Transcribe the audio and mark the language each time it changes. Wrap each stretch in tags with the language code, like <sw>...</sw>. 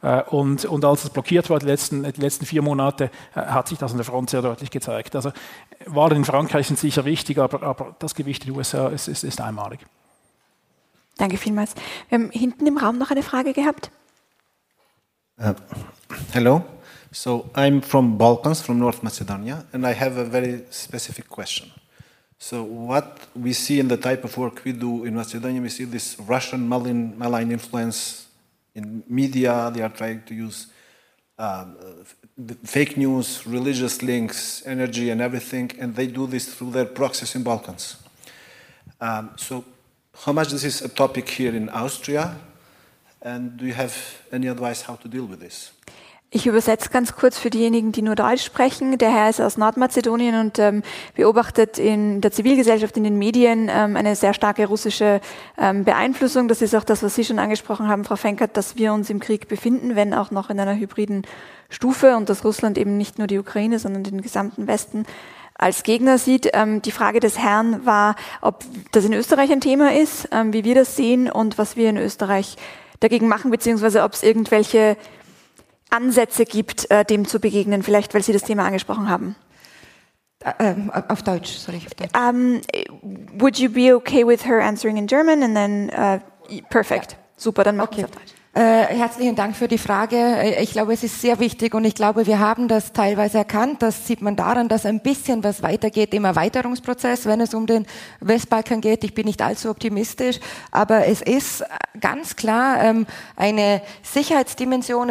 <de>Und als es blockiert war die letzten 4 Monate, hat sich das an der Front sehr deutlich gezeigt. Also Wahlen in Frankreich sind sicher wichtig, aber das Gewicht in den USA ist einmalig. Danke vielmals. Wir haben hinten im Raum noch eine Frage gehabt.</de> <en>Hello. So I'm from Balkans, from North Macedonia, and I have a very specific question. So what we see in the type of work we do in Macedonia, we see this Russian malign influence in media. They are trying to use fake news, religious links, energy and everything, and they do this through their proxies in Balkans. So how much this is a topic here in Austria, and do you have any advice how to deal with this?</en> <de>Ich übersetze ganz kurz für diejenigen, die nur Deutsch sprechen. Der Herr ist aus Nordmazedonien und beobachtet in der Zivilgesellschaft, in den Medien eine sehr starke russische Beeinflussung. Das ist auch das, was Sie schon angesprochen haben, Frau Fenkert, dass wir uns im Krieg befinden, wenn auch noch in einer hybriden Stufe und dass Russland eben nicht nur die Ukraine, sondern den gesamten Westen als Gegner sieht. Die Frage des Herrn war, ob das in Österreich ein Thema ist, wie wir das sehen und was wir in Österreich dagegen machen, beziehungsweise ob es irgendwelche Ansätze gibt, dem zu begegnen, vielleicht, weil Sie das Thema angesprochen haben. Auf Deutsch, sorry. Auf Deutsch.</de> <en>Would you be okay with her answering in German and then perfect?</en> <de>Ja. Super, dann machen wir es auf Deutsch. Herzlichen Dank für die Frage. Ich glaube, es ist sehr wichtig und ich glaube, wir haben das teilweise erkannt. Das sieht man daran, dass ein bisschen was weitergeht im Erweiterungsprozess, wenn es um den Westbalkan geht. Ich bin nicht allzu optimistisch, aber es ist ganz klar eine Sicherheitsdimension.</de>